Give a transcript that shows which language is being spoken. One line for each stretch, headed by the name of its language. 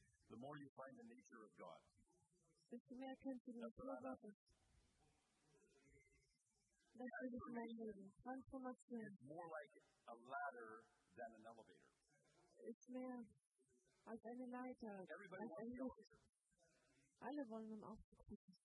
English: The more you find the nature of God.
German: Desto mehr kennst du die Natur Gottes. Das ist wirklich mein Leben. Transformation.
English: It's more like a ladder than an elevator.
German: Ist mehr als eine Leiter.
English: Everybody
German: als
English: wants
German: ein alle wollen einen Aufzug.